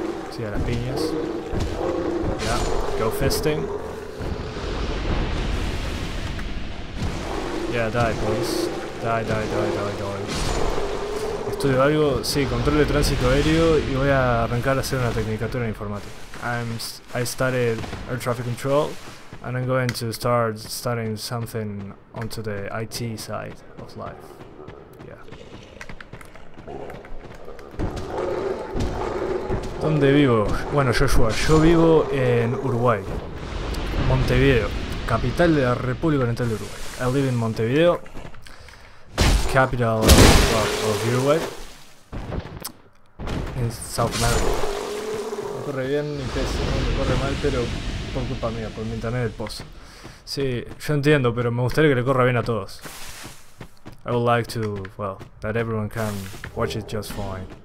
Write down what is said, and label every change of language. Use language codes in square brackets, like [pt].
[es] Sí, a las piñas. [en] Yeah, go fisting. Yeah, die, please. Die. [es] Estudio algo, sí, control de tránsito aéreo y voy a arrancar a hacer una tecnicatura en informática. [en] I studied air traffic control and I'm going to start studying something onto the IT side of life. Yeah. [es] ¿Dónde vivo? Bueno, Joshua, yo vivo en Uruguay, Montevideo, capital de la República Oriental de Uruguay. [en] I live in Montevideo. Capital of Uruguay in South America. [es] No corre bien ni pésimo, no corre mal, pero por culpa mía, por mi internet del pozo. Sí, yo entiendo, pero me gustaría que le corra bien a todos. [en] I would like to, well, that everyone can watch it just fine.